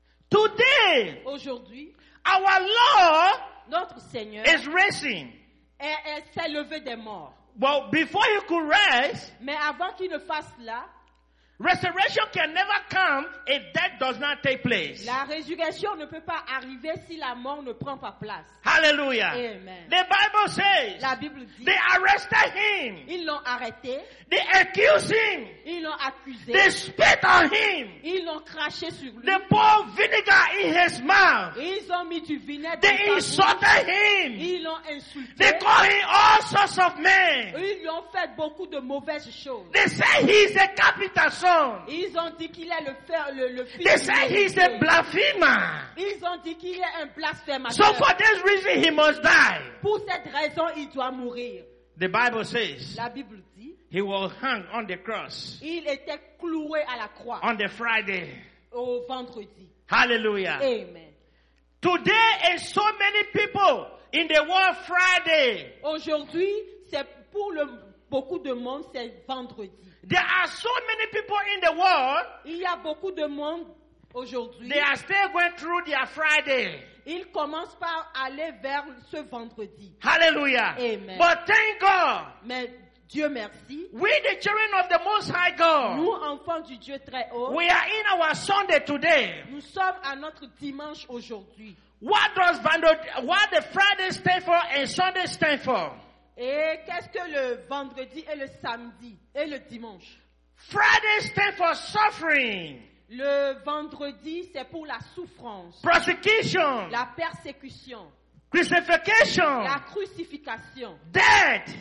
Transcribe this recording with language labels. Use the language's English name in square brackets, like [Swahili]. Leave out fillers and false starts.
[English] Today, [French] aujourd'hui, [English] our Lord, [French] notre Seigneur, [English] is raising. [French] Et s'est levé des morts. [English] Well, before he could rest, [French] mais avant qu'il ne fasse là, [English] resurrection can never come if death does not take place. [French] La résurrection ne peut pas arriver si la mort ne prend pas place. [English] Hallelujah. Amen. The Bible says, [French] la Bible dit, [English] they arrested him. [French] Ils l'ont arrêté. [English] They accused him. [French] Ils l'ont accusé. [English] They spit on him. [French] Ils l'ont craché sur lui. [English] They poured vinegar in his mouth. [French] Ils ont mis du vinaigre. [English] They insulted him. [French] Ils l'ont insulté. [English] They called him all sorts of men. [French] Ils lui ont fait beaucoup de mauvaises choses. [English] They say he is a capital. [French] Ils ont dit qu'il est le fils. [English] They say he's a blasphemer. [French] Ils ont dit qu'il est un blasphémateur. [English] So for this reason he must die. [French] Pour cette raison, il doit mourir. [English] The Bible says. [French] La Bible dit. [English] He was hung on the cross. [French] Il était cloué à la croix. [English] On the Friday. [French] Au vendredi. [English] Hallelujah. Amen. Today and so many people in the world Friday. [French] Aujourd'hui, c'est pour beaucoup de monde, c'est vendredi. [English] There are so many people in the world. [French] Il y a beaucoup de monde aujourd'hui. [English] They are still going through their Friday. [French] Ils commencent par aller vers ce vendredi. [English] Hallelujah. Amen. But thank God. [French] Mais Dieu merci. [English] We the children of the Most High God. [French] Nous enfants du Dieu très haut. [English] We are in our Sunday today. [French] Nous sommes à notre dimanche aujourd'hui. [English] What does what the Friday stand for and Sunday stand for? [French] Et qu'est-ce que le vendredi et le samedi et le dimanche? [English] Friday stands for suffering. [French] Le vendredi, c'est pour la souffrance. [English] Persecution. [French] La persécution. [English] Crucifixion. [French] La crucifixion. [English] Death.